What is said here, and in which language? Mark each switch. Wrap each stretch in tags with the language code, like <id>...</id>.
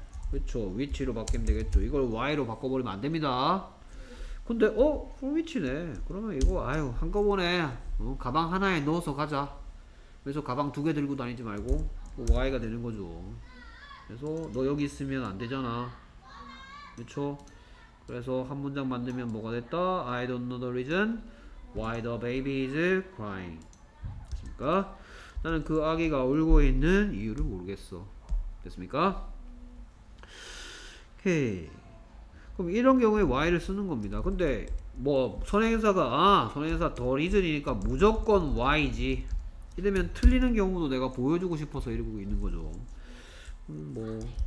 <ko>그렇죠. 위치로 바뀌면 되겠죠. 이걸 Y로 바꿔버리면 안 됩니다. 근데 어? 풀 위치네. 그러면 이거 아유 한꺼번에 어, 가방 하나에 넣어서 가자. 그래서 가방 두 개 들고 다니지 말고 Y가 되는 거죠. 그래서 너 여기 있으면 안 되잖아. 그쵸? 그래서 한 문장 만들면 뭐가 됐다?</ko> <en>I don't know the reason why the baby is crying.</en> <ko>됐습니까? 나는 그 아기가 울고 있는 이유를 모르겠어. 됐습니까? 오케이. 그럼 이런 경우에 why를 쓰는 겁니다. 근데 뭐 선행사가 아 선행사 the reason이니까 무조건 why지 이러면 틀리는 경우도 내가 보여주고 싶어서 이러고 있는 거죠. 뭐</ko>